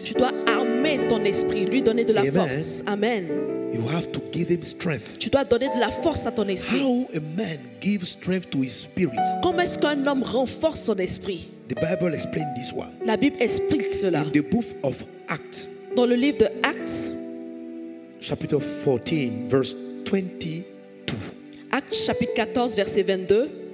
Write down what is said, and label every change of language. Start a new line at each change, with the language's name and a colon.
French: Tu dois armer ton esprit, lui donner de la
English: Amen.
French: Force. Amen.
English: You have to give him strength.
French: Tu dois donner de la force à ton esprit.
English: How a man gives strength to his spirit?
French: Comment est-ce qu'un homme renforce son esprit?
English: The Bible explains this one.
French: La Bible explique cela.
English: In the book of Acts.
French: Dans le livre de Actes, chapitre 14, verse 22. Actes chapitre 14, verset 22.